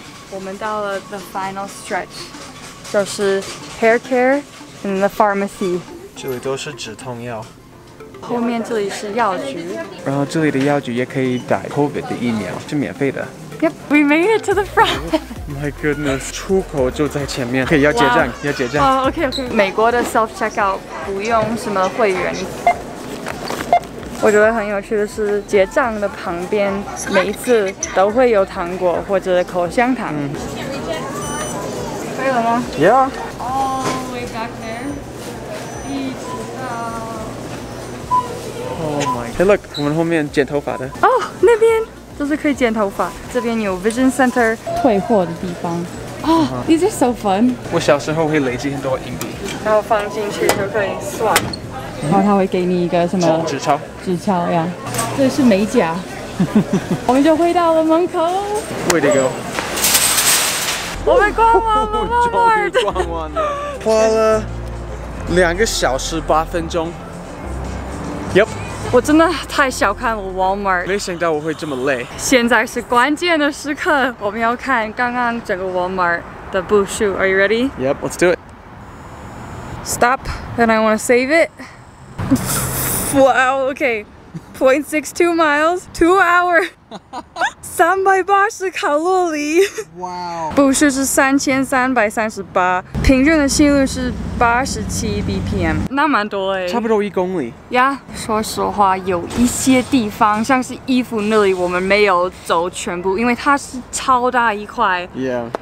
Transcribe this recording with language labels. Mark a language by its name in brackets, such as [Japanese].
[Chinese] 我们到了 [English] the final stretch， [Chinese] 就是 [English] hair care and the pharmacy。 [Chinese] 这里都是止痛药。后面这里是药局。然后这里的药局也可以打 COVID 的疫苗，是免费的。 [English] Yep, we made it to the front. My goodness, [Chinese] 出口就在前面。可以要结账， wow. 要结账。 [English] Oh, okay, okay. [Chinese] 美国的 self checkout 不用什么会员。我觉得很有趣的是，结账的旁边每一次都会有糖果或者口香糖。嗯、可以了吗 [English] ？Yeah. All the way back there. [Chinese] 一直到。 [English] Oh my. Hey, look, [Chinese] 我们后面剪头发的。哦、oh, ，那边。都是可以剪头发，这边有 Vision Center 退货的地方。 [English] 哦、oh, uh-huh. ，These are so fun。 [Chinese] 我小时候会累积很多硬币，然后放进去就可以算。Mm-hmm. 然后他会给你一个什么？纸钞。纸钞呀， yeah. 这是美甲。我们就回到了门口。 [English] Way to go！ [Chinese] 我们逛完了 Walmart，终于逛完了，花了两个小时八分钟。 [English] Yep。 [Chinese] 我真的太小看了 Walmart，没想到我会这么累。现在是关键的时刻，我们要看刚刚整个 Walmart 的步数。 [English] Are you ready? Yep, let's do it. Stop, and I want to save it. Wow, okay, 0.62 miles, 2 hours, 380卡路里。 Wow. [Chinese] 步数是3338，平均的心率是87 BPM， 那蛮多哎，差不多1公里呀。 Yeah, 说实话，有一些地方，像是衣服那里，我们没有走全部，因为它是超大一块。 [English] Yeah，